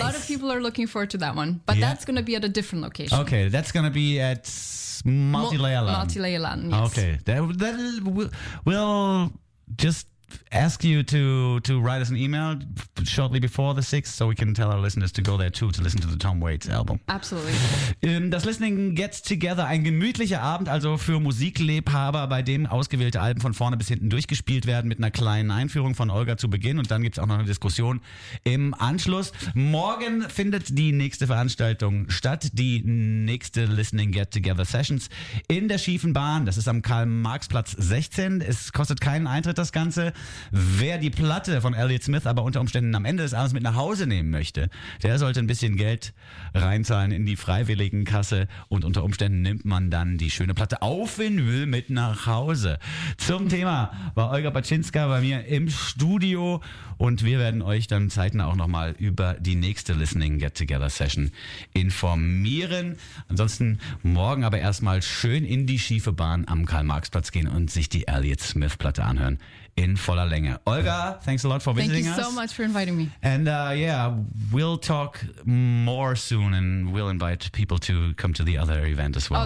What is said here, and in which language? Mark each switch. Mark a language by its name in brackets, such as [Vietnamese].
[English] A lot of people are looking forward to that one, but that's going to be at a different location. Okay. That's going to be at Multilayer Land. Multilayer Land, yes. Okay. That we'll just ask you to write us an email shortly before the 6th so we can tell our listeners to go there too to listen to the Tom Waits album. Absolutely. [German] Das Listening Gets Together, ein gemütlicher Abend also für Musikliebhaber, bei dem ausgewählte Alben von vorne bis hinten durchgespielt werden mit einer kleinen Einführung von Olga zu Beginn und dann gibt es auch noch eine Diskussion im Anschluss. Morgen findet die nächste Veranstaltung statt, die nächste Listening Get Together Sessions in der Schiefen Bahn. Das ist am Karl-Marx-Platz 16. Es kostet keinen Eintritt, das Ganze. Wer die Platte von Elliott Smith aber unter Umständen am Ende des Abends mit nach Hause nehmen möchte, der sollte ein bisschen Geld reinzahlen in die Freiwilligenkasse und unter Umständen nimmt man dann die schöne Platte auf Vinyl mit nach Hause. Zum Thema war Olga Baczynska bei mir im Studio und wir werden euch dann zeitnah auch nochmal über die nächste Listening Get Together Session informieren. Ansonsten morgen aber erstmal schön in die schiefe Bahn am Karl-Marx-Platz gehen und sich die Elliott Smith Platte anhören. In voller Länge. [English] Olga, thanks a lot for visiting us. Thank you so much for inviting me. And we'll talk more soon and we'll invite people to come to the other event as well.